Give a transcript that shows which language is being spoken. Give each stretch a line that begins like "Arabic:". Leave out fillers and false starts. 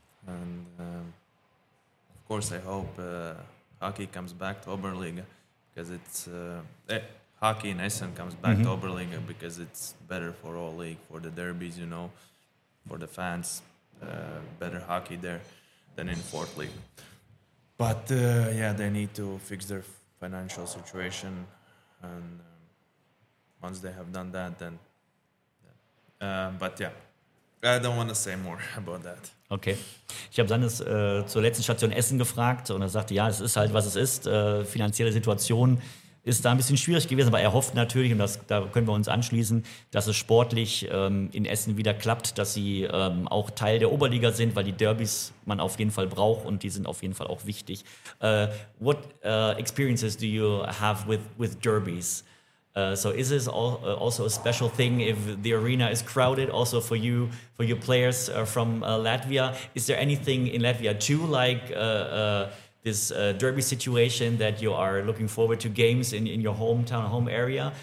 English: And of course, I hope hockey comes back to Oberliga because it's hockey in Essen comes back to Oberliga because it's better for all league, for the derbies, you know, for the fans, better hockey there than in fourth league. But they need to fix their financial situation, and once they have done that, then but yeah, I don't want to say more about that. Okay.
German: Ich habe Sandes zur letzten Station Essen gefragt und er sagte, ja, es ist halt, was es ist. Finanzielle Situation ist da ein bisschen schwierig gewesen, aber er hofft natürlich, und das, da können wir uns anschließen, dass es sportlich in Essen wieder klappt, dass sie auch Teil der Oberliga sind, weil die Derbys man auf jeden Fall braucht und die sind auf jeden Fall auch wichtig.
English: What experiences do you have with Derbys? So is this also a special thing if the arena is crowded also for your players from Latvia? Is there anything in Latvia too, like this derby situation that you are looking forward to games in your hometown, home area?